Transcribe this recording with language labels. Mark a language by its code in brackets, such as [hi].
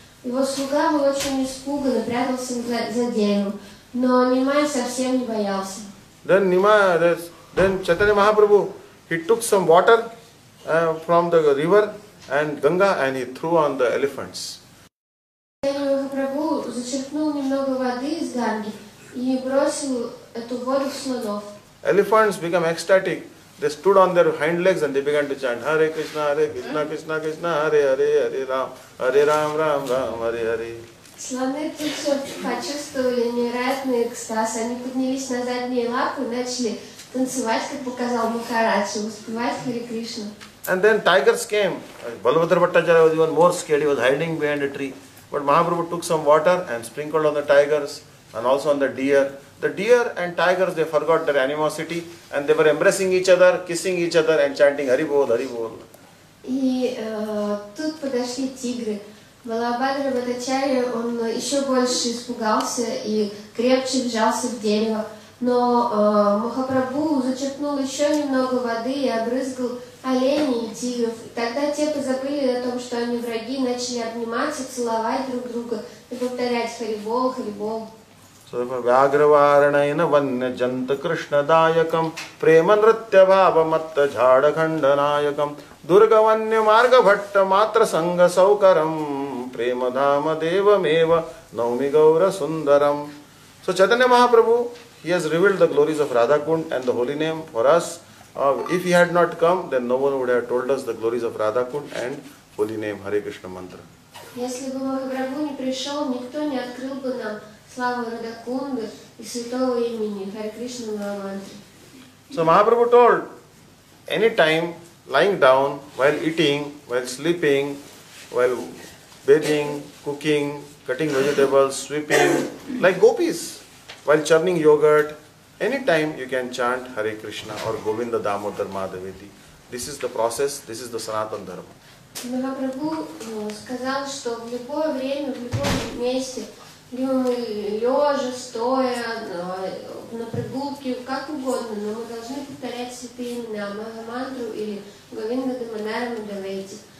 [ru] Его слуга был очень испуган и прятался за деревом, но Нимай совсем не боялся. [en] Then Nimai, then Chaitanya Mahaprabhu, he took some water from the river and Ganga and he threw on the elephants. [ru] Chaitanya Mahaprabhu зачерпнул немного воды из Ганги и бросил эту воду в слонов. [en] Elephants became ecstatic. They stood on their hind legs and they began to chant Hare Krishna, Hare Krishna, Krishna Krishna, Hare Hare, Hare Ram, Hare Ram, Ram Ram, Hare Hare. [ru] Слоны тут же почувствовали невероятный экстаз. Они поднялись на задние лапы и начали танцевать, как показал Махарадж, успевать Хари Кришну. [en] And then tigers came. Balabhadra Bhattacharya was even more scared. He was hiding behind a tree. But Mahaprabhu took some water and sprinkled on the tigers and also on the deer. The deer and tigers, they forgot their animosity and they were embracing each other, kissing each other and chanting Hari Bol, Hari Bol. [ru] И тут подошли тигры. Балабхадра Бхаттачарья, он еще больше испугался и крепче вжался в дерево. Но Махапрабху зачерпнул еще немного воды и обрызгал оленей и тигров. Тогда те позабыли о том, что они враги, начали обниматься, целовать друг друга и повторять Хари Бол, Хари Бол. [sa] Вяграварнайна ванья джанта Кришна даякам, према нритья бхава матта Джхадакханда наякам, дурга ванья марга бхатта матра санга саукарам, према дама дева мева науми гаура сундарам. [en] So Chaitanya Mahaprabhu, he has revealed the glories of Radha Kund and the holy name for us. If he had not come, then no one would have told us the glories of Radha Kund and holy name Hare Krishna Mantra. [ru] Если бы Махапрабху не пришел, никто не открыл бы нам [en] So Mahaprabhu told, any time lying down, while eating, while sleeping, while bathing, cooking, cutting vegetables, sweeping, like gopis, while churning yogurt, any time you can chant Hare Krishna or Govinda Damodar Madhavedi. This is the process, this is the Sanatana Dharma. [ru] Mahaprabhu сказал, что в любое время, в любом месте, лежа, стоя, на прогулке, как угодно, но мы должны повторять святые имена, Махамантру или Говинда Даманара Мадавейти.